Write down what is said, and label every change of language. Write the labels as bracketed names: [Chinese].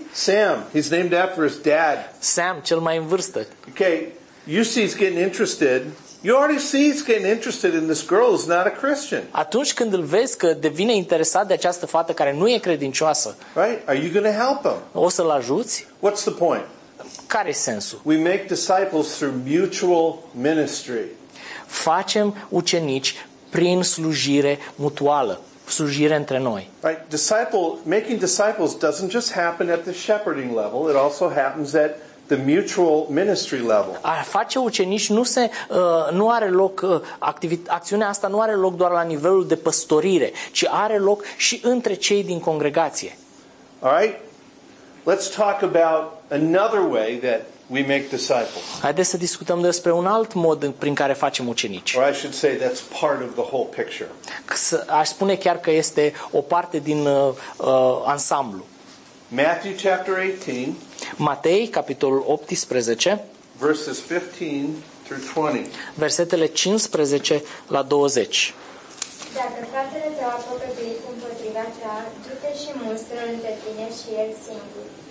[English] Sam, he's named after his dad. [Romanian] Sam, cel mai în vârstă. [English] Okay, you see he's getting interested... You already see he's getting interested in this girl who's not a Christian. [Romanian] Atunci când îl vezi că devine interesat de această fată care nu e credincioasă. [English] Right? Are you going to help him? [Romanian] O să-l ajuți? [English] What's the point? [Romanian] Care-i sensul? [English] We make disciples through mutual ministry. [Romanian] Facem ucenici prin slujire mutuală, slujire între noi. [English] Right? Disciple making disciples doesn't just happen at the shepherding level, it also happens at the mutual ministry level. [Romanian] A face ucenici nu se nu are loc acțiunea asta nu are loc doar la nivelul de păstorire, ci are loc și între cei din congregație. [English] All right? Let's talk about another way that we make disciples. [Romanian] Haideți să discutăm despre un alt mod prin care facem ucenici. [English] Or I should say that's part of the whole picture. [Romanian] Aș spune chiar că este o parte din ansamblu. [English] Matthew chapter 18. [Romanian] Matei, capitolul 18, [English] verses 15 through 20. [Romanian] Versetele 15 la 20. Dacă fratele tău a păcătuit împotriva ta, du-te și mustră-l între tine și el singur.